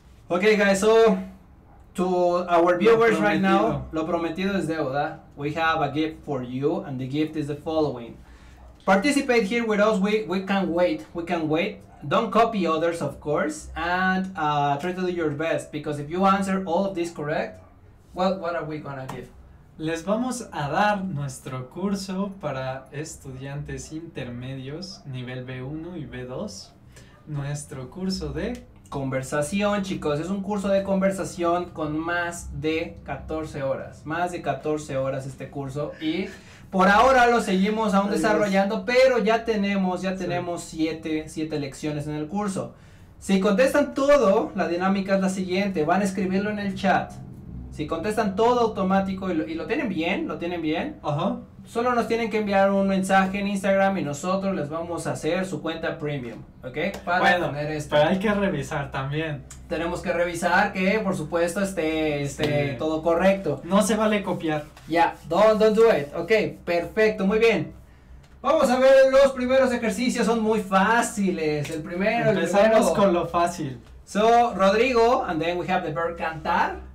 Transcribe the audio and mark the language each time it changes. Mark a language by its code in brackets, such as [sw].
[en] Okay, guys, so to our viewers right now, [es] lo prometido es deuda. [en] We have a gift for you, and the gift is the following. Participate here with us. We can wait. We can wait. Don't copy others, of course, and try to do your best, because if you answer all of this correct, well, what are we gonna give? [es] Les vamos a dar nuestro curso para estudiantes intermedios, nivel B1 y B2. Nuestro curso de... conversación, chicos, es un curso de conversación con más de 14 horas este curso, y por ahora lo seguimos aún desarrollando, pero ya tenemos 7 lecciones en el curso. Si contestan todo, la dinámica es la siguiente: van a escribirlo en el chat. Si contestan todo automático y lo tienen bien, ajá, solo nos tienen que enviar un mensaje en Instagram y nosotros les vamos a hacer su cuenta premium, ¿ok? Para bueno, tener esto. Pero hay que revisar también. Tenemos que revisar que, por supuesto, esté sí. Todo correcto. No se vale copiar. Ya, [en] yeah. don't do it. [es] Ok, perfecto, muy bien. Vamos a ver, los primeros ejercicios son muy fáciles. El primero, empezamos con lo fácil. [en] So, Rodrigo, and then we have the verb cantar.